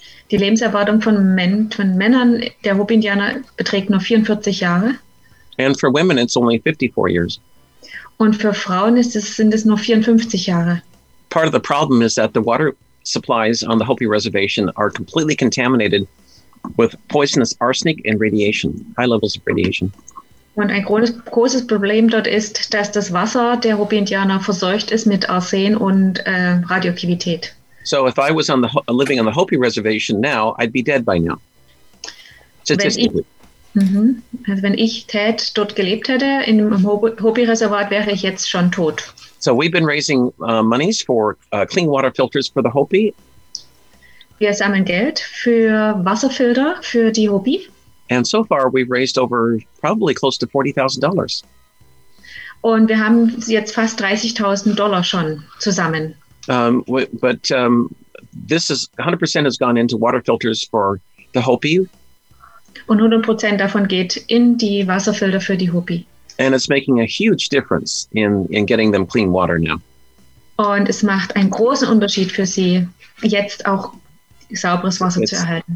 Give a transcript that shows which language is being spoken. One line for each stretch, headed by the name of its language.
German: Die Lebenserwartung von Männern der Hopi Indianer beträgt nur 44 Jahre.
English: And for women, it's only 54 years.
German: Und für Frauen sind es nur 54 Jahre.
English: Part of the problem is that the water supplies on the Hopi Reservation are completely contaminated with poisonous arsenic and radiation, high levels of radiation.
German: Und ein großes Problem dort ist, dass das Wasser der Hopi-Indianer verseucht ist mit Arsen und Radioaktivität.
English: So if I was living on the Hopi Reservation now, I'd be dead by now.
German: Also wenn ich dort gelebt hätte, in dem Hopi-Reservat, wäre ich jetzt schon tot.
English: So we've been raising monies for clean water filters for the Hopi.
German: Wir sammeln Geld für Wasserfilter für die Hopi.
English: And so far we've raised over probably close to $40,000.
German: Und wir haben jetzt fast $30,000 schon zusammen.
English: But this is 100% has gone into water filters for the Hopi.
German: Und 100% davon geht in die Wasserfilter für die Hopi.
English: And it's making a huge difference in getting them clean water now.
German: Und es macht einen großen Unterschied für sie, jetzt auch sauberes Wasser zu erhalten.